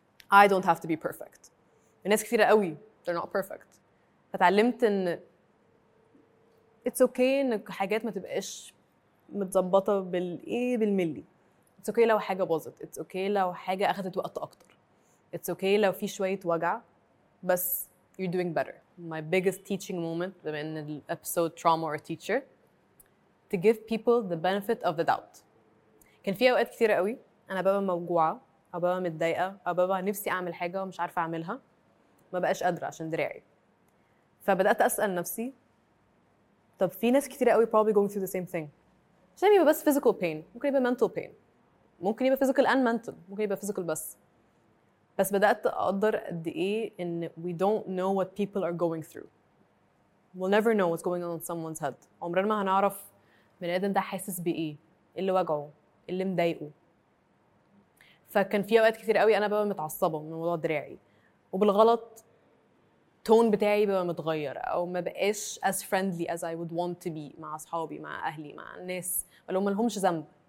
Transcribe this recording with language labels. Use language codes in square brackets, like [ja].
[en] I don't have to be perfect. [ar] الناس كثيرة قوي [en] they're not perfect. [ar] فتعلمت إن [en] it's okay [ar] إن حاجات ما تبقاش متزبطة بالملي. [en] It's okay [ar] لو حاجة باظت. [en] It's okay [ar] لو حاجة أخذت وقت أكتر. [en] It's okay [ar] لو في شوية وجع بس [en] you're doing better. My biggest teaching moment in the episode trauma or teacher to give people the benefit of the doubt. [ar] كان في أوقات كثيرة قوي أنا بابا موجوعة أو بابا متضايقة أو بابا نفسي أعمل حاجة ومش عارفة أعملها ما بقاش قادرة عشان دراعي. فبدأت أسأل نفسي طب في ناس كثيرة قوي [en] probably going through the same thing. [ar] مش يبقى بس [en] physical pain, [ar] ممكن يبقى [en] mental pain, [ar] ممكن يبقى [en] physical and mental, [ar] ممكن يبقى physical بس. بس بدأت أقدر قد إيه إن [en] we don't know what people are going through. We'll never know what's going on in someone's head. [ar] عمرنا ما هنعرف من آدم ده حاسس بإيه, اللي وجعه, اللي مضايقه. فكان في أوقات كثير قوي أنا ببقى متعصبة من موضوع دراعي. وبالغلط التون بتاعي ببقى متغير أو ما بقاش [en] as friendly as I would want to be [ar] مع أصحابي, مع أهلي, مع الناس. ولو ما لهمش ذنب.